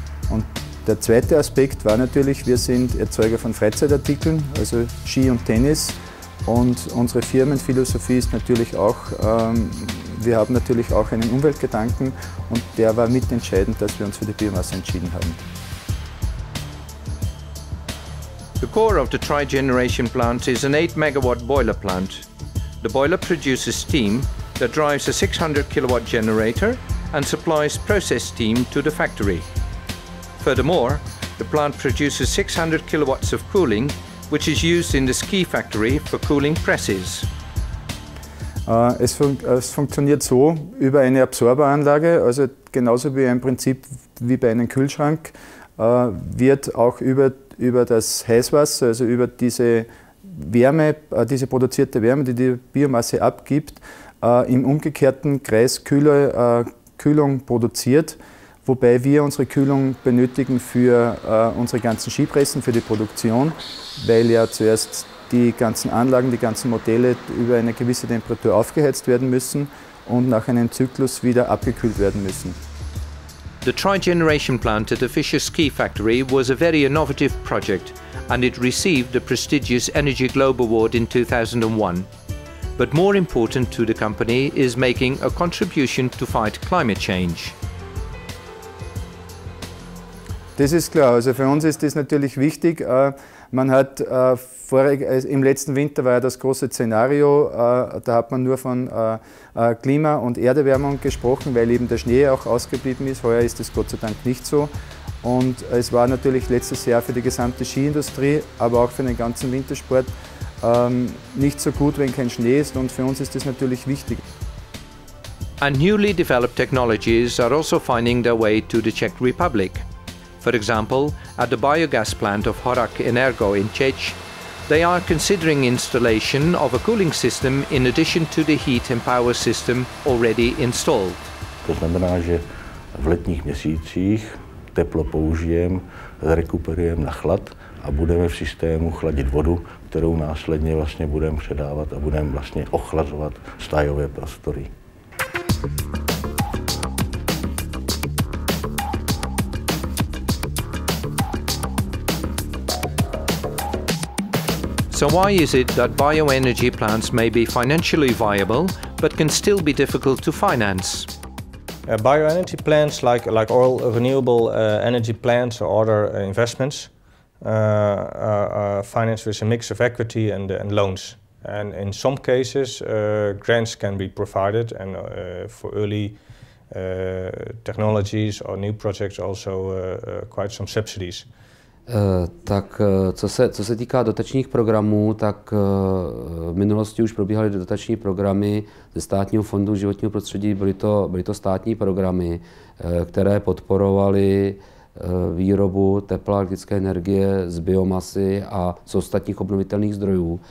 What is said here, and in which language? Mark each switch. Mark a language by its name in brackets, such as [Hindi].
[German] Und der zweite Aspekt war natürlich, wir sind Erzeuger von Freizeitartikeln, also Ski und Tennis. Und unsere Firmenphilosophie ist natürlich auch, wir haben natürlich auch einen Umweltgedanken und der war mitentscheidend, dass wir uns für die Biomasse entschieden haben. [English] The core of the Tri-Generation plant is an 8 megawatt boiler plant. The boiler produces steam that drives a 600 kilowatt generator and supplies process steam to the factory. Furthermore, the plant produces 600 kilowatts of cooling, which is used in the ski factory for cooling presses. [German] Es funktioniert so über eine Absorberanlage, also genauso wie im Prinzip wie bei einem Kühlschrank, wird auch über das Heißwasser, also über diese Wärme, diese produzierte Wärme, die die Biomasse abgibt, im umgekehrten Kreis Kühlung produziert, wobei wir unsere Kühlung benötigen für unsere ganzen Skipressen, für die Produktion, weil ja zuerst die ganzen Anlagen, die ganzen Modelle über eine gewisse Temperatur aufgeheizt werden müssen und nach einem Zyklus wieder abgekühlt werden müssen. [English] The Tri-Generation plant at the Fischer Ski Factory was a very innovative project and it received the prestigious Energy Globe Award in 2001. But more important to the company is making a contribution to fight climate change. [German] Das ist klar, also für uns ist das natürlich wichtig. Man hat im letzten Winter war ja das große Szenario, da hat man nur von Klima- und Erderwärmung gesprochen, weil eben der Schnee auch ausgeblieben ist. Heuer ist es Gott sei Dank nicht so. Und es war natürlich letztes Jahr für die gesamte Skiindustrie, aber auch für den ganzen Wintersport nicht so gut, wenn kein Schnee ist. Und für uns ist das natürlich wichtig. [English] And newly developed technologies are also finding their way to the Czech Republic. For example, at the biogas plant of Horak Energo in Czech, they are considering installation of a cooling system in addition to the heat and power system already installed. [Czech] To znamená, že v letních měsících teplo použijem, zrekuperujem na chlad a budeme v systému chladit vodu, kterou následně vlastně budeme předávat a budeme vlastně ochlazovat stájové prostory. [English] So why is it that bioenergy plants may be financially viable, but can still be difficult to finance? Bioenergy plants, like all renewable energy plants or other investments, are financed with a mix of equity and loans. And in some cases, grants can be provided, and for early technologies or new projects also quite some subsidies. [Czech] Tak co se týká dotačních programů, tak v minulosti už probíhaly dotační programy ze Státního fondu životního prostředí, byly to státní programy, které podporovaly výrobu tepla, elektrické energie z biomasy a z ostatních obnovitelných zdrojů.